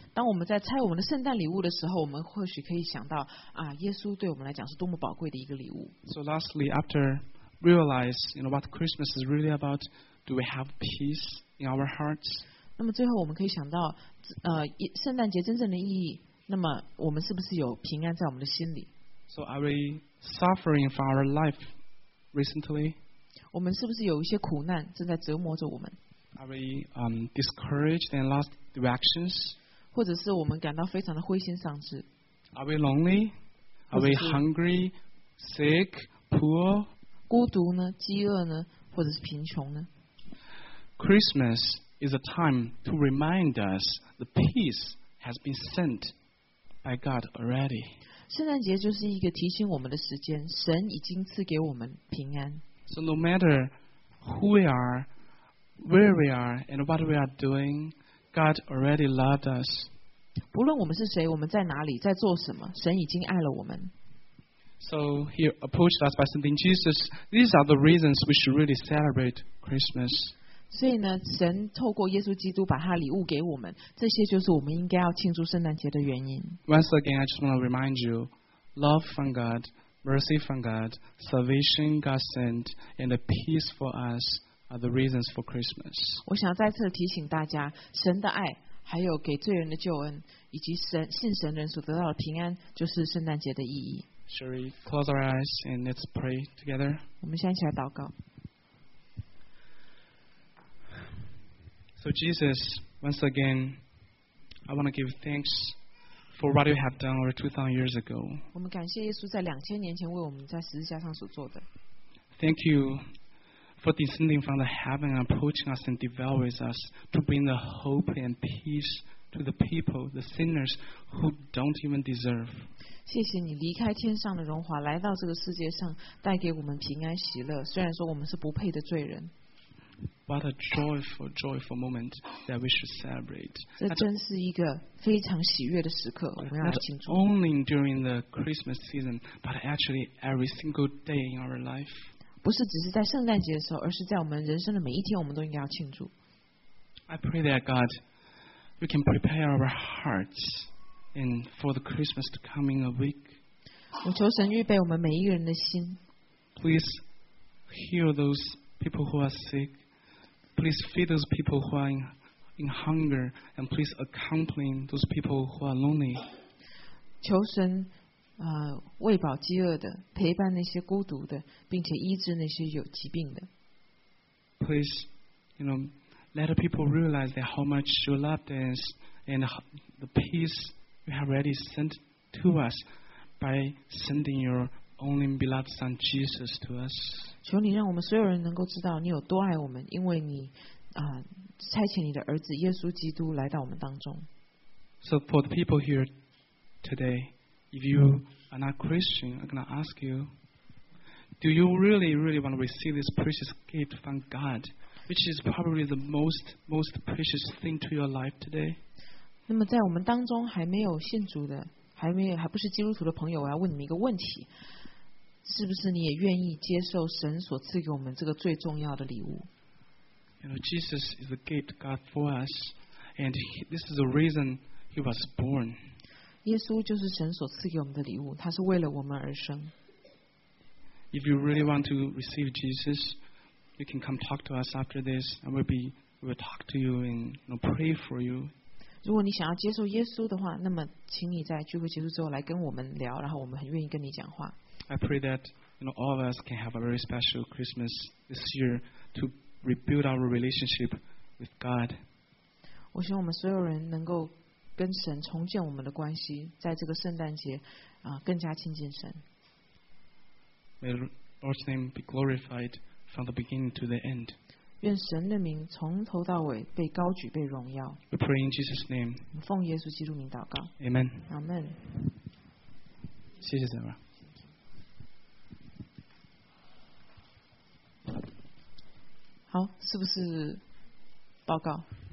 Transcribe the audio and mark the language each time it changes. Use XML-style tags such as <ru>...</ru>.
<zh>当我们在拆我们的圣诞礼物的时候，我们或许可以想到啊，耶稣对我们来讲是多么宝贵的一个礼物。</zh> <en>So lastly, after realize, you know, what Christmas is really about, do we have peace in our hearts?</en> <zh>那么最后我们可以想到，圣诞节真正的意义，那么我们是不是有平安在我们的心里？</zh> <en>So are we suffering from our life recently?</en> <zh>我们是不是有一些苦难正在折磨着我们？</zh> <en>Are we discouraged and lost directions?</en> <zh>或者是我们感到非常的灰心丧志？</zh> <en>Are we lonely? Are we hungry, sick, poor?</en> <zh>孤独呢？饥饿呢？或者是贫穷呢？</zh> <en>Christmas is a time to remind us the peace has been sent by God already.</en> <zh>圣诞节就是一个提醒我们的时间，神已经赐给我们平安。</zh> <en>So no matter who we are, where we are, and what we are doing, God already loved us.</en> <zh>不论我们是谁，我们在哪里，在做什么，神已经爱了我们。</zh> <en>So he approached us by sending Jesus. These are the reasons we should really celebrate Christmas.</en> <zh>所以呢，神透过耶稣基督把他礼物给我们，这些就是我们应该要庆祝圣诞节的原因。</zh> <en>Once again, I just want to remind you, love from God, mercy from God, salvation God sent, and the peace for us are the reasons for Christmas.</en> <zh>我想再次提醒大家，神的爱，还有给罪人的救恩，以及神信神人所得到的平安，就是圣诞节的意义。</zh> <en>Shall we close our eyes and let's pray together?</en> <zh>我们现在一起来祷告。</zh> <en>So Jesus, once again, I want to give thanks for what you have done over 2,000 years ago.</en> <zh>我们感谢耶稣在2000年前为我们在十字架上所做的。</zh> <en>Thank you for descending from the heaven and approaching us and dwell with us to bring the hope and peace to the people, the sinners who don't even deserve.</en> <zh>谢谢你离开天上的荣华来到这个世界上带给我们平安喜乐，虽然说我们是不配的罪人。</zh> <en>What a joyful, joyful moment that we should celebrate.</en> <zh>这真是一个非常喜悦的时刻，我们要来庆祝。</zh> <en>Not only during the Christmas season, but actually every single day in our life.</en> <zh>不是只是在圣诞节的时候，而是在我们人生的每一天我们都应该要庆祝。</zh> <en>I pray that God, we can prepare our hearts and for the Christmas to come in a week.</en> <zh>我求神预备我们每一个人的心。</zh> <en>Please heal those people who are sick. Please feed those people who are in hunger. And please accompany those people who are lonely.</en> <zh>求神喂饱饥饿的，陪伴那些孤独的，并且医治那些有疾病的。</zh> <en>Please, you know, let people realize that how much you love them and the peace you have already sent to us by sending your only beloved Son Jesus to us.</en> <zh>求你让我们所有人能够知道你有多爱我们，因为你差遣你的儿子耶稣基督来到我们当中。</zh> <en>So for the people here today, if you are not Christian, I'm going to ask you, do you really, really want to receive this precious gift from God, which is probably the most, most precious thing to your life today?</en> <zh>那么在我们当中还没有信主的，还不是基督徒的朋友，我要问你们一个问题，是不是你也愿意接受神所赐给我们这个最重要的礼物？</zh> <en>You know, Jesus is the gift God for us, and this is the reason he was born.</en> <zh>耶稣就是神所赐给我们的礼物，他是为了我们而生。</zh> <en>If you really want to receive Jesus, you can come talk to us after this, and we'll talk to you and, you know, pray for you.</en> <zh>如果你想要接受耶稣的话，那么请你在聚会结束之后来跟我们聊，然后我们很愿意跟你讲话。</zh> <en>I pray that, you know, all of us can have a very special Christmas this year to rebuild our relationship with God.</en> <zh>我希望我们所有人能够跟神重建我们的关系，在这个圣诞节更加亲近神。</zh> <en>May the Lord's name be glorified from the beginning to the end.</en> <zh>愿神的名从头到尾被高举被荣耀。</zh> <en>We pray in Jesus' name.</en> <zh>奉耶稣基督名祷告。</zh> <en>Amen. Amen.</en> <zh>谢谢神啊。好，是不是报告？</zh>